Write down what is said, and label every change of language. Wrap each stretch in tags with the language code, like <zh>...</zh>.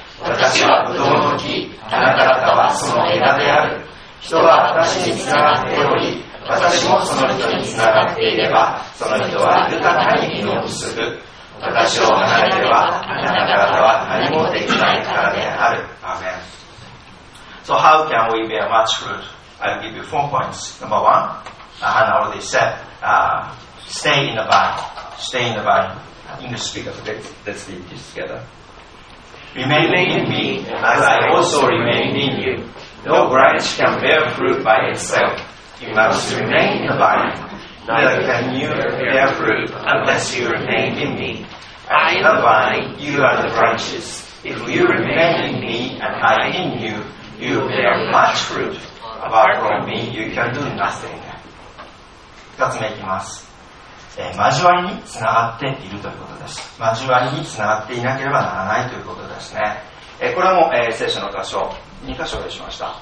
<ja>私はブドウの木、あなた方はその枝である。人は私につながっており、私もその人につながっていれば、その人は豊かに実を結ぶ。私を離れればあなた方は何もできないからである。</ja> <en>アーメン。So how can we bear much fruit? I'll give you 4 points. Number one, Hannah already said, stay in the vine. Stay in the vine. English speakers, let's read this together. Remain in me, as I also remain in you. No branch can bear fruit by itself. You must remain in the vine. Neither can you bear fruit unless you remain in me. I am the vine, you are the branches. If you remain in me and I in you,You bear much fruit. Apart from me, you can do nothing.</en> <ja>2つ目いきます、交わりにつながっているということです。交わりにつながっていなければならないということですね、これも、聖書の箇所2箇所でしました。</ja>